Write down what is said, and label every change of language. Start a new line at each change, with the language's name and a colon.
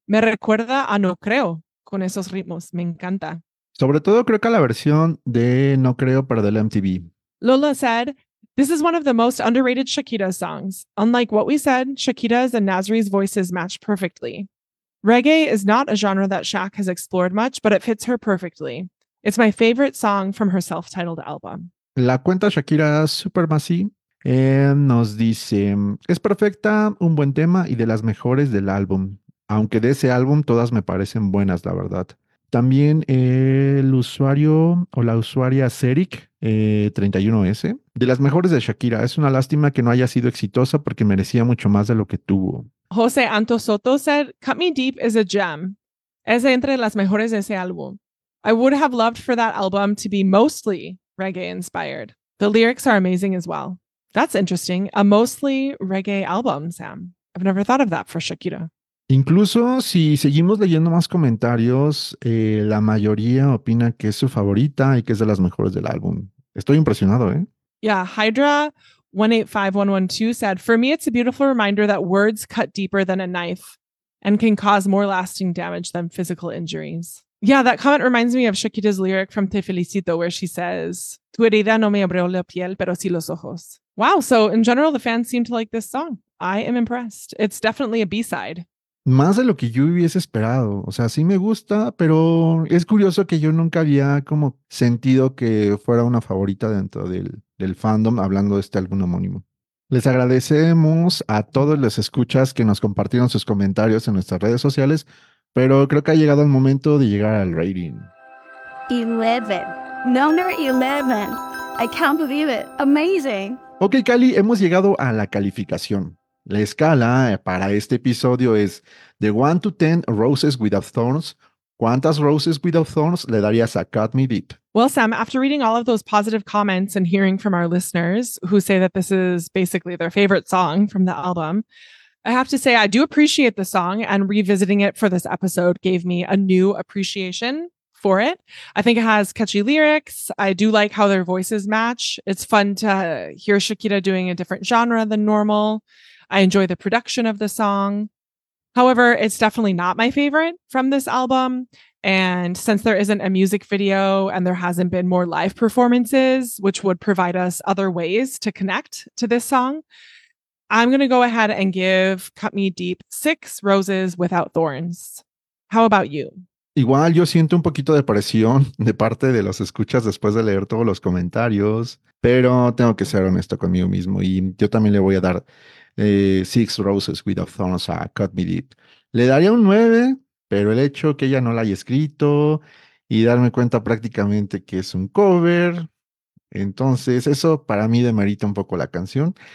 Spanish: Me recuerda a No Creo con esos ritmos. Me encanta. Sobre todo creo que la versión de No Creo para del MTV.
English: Lola said, this is one of the most underrated Shakira songs. Unlike what we said, Shakira's and Nasri's voices match perfectly. Reggae is not a genre that Shak has explored much, but it fits her perfectly. It's my favorite song from her self-titled album.
Spanish: La cuenta Shakira Supermassi nos dice, es perfecta, un buen tema y de las mejores del álbum. Aunque de ese álbum todas me parecen buenas, la verdad. También el usuario o la usuaria Ceric 31S, de las mejores de Shakira. Es una lástima que no haya sido exitosa porque merecía mucho más de lo que tuvo.
English: José Anto Soto said, Cut Me Deep is a gem.
Spanish: Es entre las mejores de ese álbum.
English: I would have loved for that album to be mostly reggae inspired. The lyrics are amazing as well. That's interesting. A mostly reggae album, Sam. I've never thought of that for Shakira.
Spanish: Incluso si seguimos leyendo más comentarios, la mayoría opina que es su favorita y que es de las mejores del álbum. Estoy impresionado, ¿eh?
English: Yeah, Hydra 185112 said, for me it's a beautiful reminder that words cut deeper than a knife and can cause more lasting damage than physical injuries. Yeah, that comment reminds me of Shakira's lyric from Te Felicito, where she says,
Spanish: "Tu herida no me abrió la piel, pero sí los ojos."
English: Wow, so in general, the fans seem to like this song. I am impressed. It's definitely a B-side.
Spanish: Más de lo que yo hubiese esperado. O sea, sí me gusta, pero es curioso que yo nunca había como sentido que fuera una favorita dentro del fandom, hablando de este álbum homónimo. Les agradecemos a todos los escuchas que nos compartieron sus comentarios en nuestras redes sociales, pero creo que ha llegado el momento de llegar al rating.
English: 11. Number 11. I can't believe it. Amazing.
Spanish: Ok, Cali, hemos llegado a la calificación. La escala para este episodio es de
English: 1 to 10
Spanish: Roses Without Thorns. ¿Cuántas Roses Without Thorns le darías a Cut Me Deep?
English: Well, Sam, after reading all of those positive comments and hearing from our listeners who say that this is basically their favorite song from the album, I have to say I do appreciate the song, and revisiting it for this episode gave me a new appreciation for it. I think it has catchy lyrics. I do like how their voices match. It's fun to hear Shakira doing a different genre than normal. I enjoy the production of the song. However, it's definitely not my favorite from this album. And since there isn't a music video and there hasn't been more live performances, which would provide us other ways to connect to this song, I'm going to go ahead and give Cut Me Deep 6 Roses Without Thorns. How about you?
Spanish: Igual yo siento un poquito de presión de parte de los escuchas después de leer todos los comentarios, pero tengo que ser honesto conmigo mismo y yo también le voy a dar 6 Roses Without Thorns a Cut Me Deep. Le daría un 9, pero el hecho que ella no la haya escrito y darme cuenta prácticamente que es un cover, entonces eso para mí demerita un poco la canción.